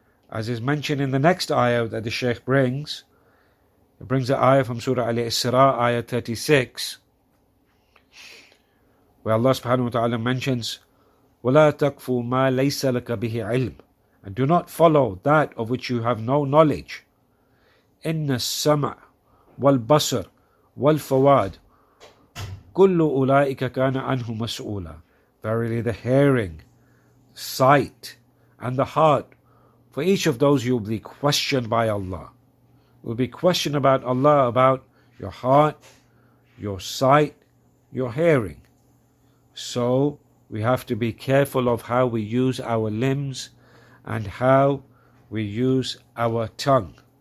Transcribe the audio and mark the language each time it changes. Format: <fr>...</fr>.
<en>As is mentioned in the next ayah that the Shaykh brings, it brings the ayah from Surah Al Isra, ayah 36, where Allah subhanahu wa ta'ala mentions,</en> <ar>وَلَا تَقْفُوا مَا لَيْسَ لَكَ بِهِ عِلْمٍ,</ar> <en>and do not follow that of which you have no knowledge.</en> <ar>إِنَّ السَّمَعَ وَالْبَصَرَ وَالْفَوَادَ كُلُّ أُولَٰئِكَ كَانَ عَنْهُ مَسْؤُولًا.</ar> <en>Verily the hearing, sight, and the heart, for each of those you will be questioned by Allah. It will be questioned about Allah, about your heart, your sight, your hearing. So we have to be careful of how we use our limbs and how we use our tongue.</en>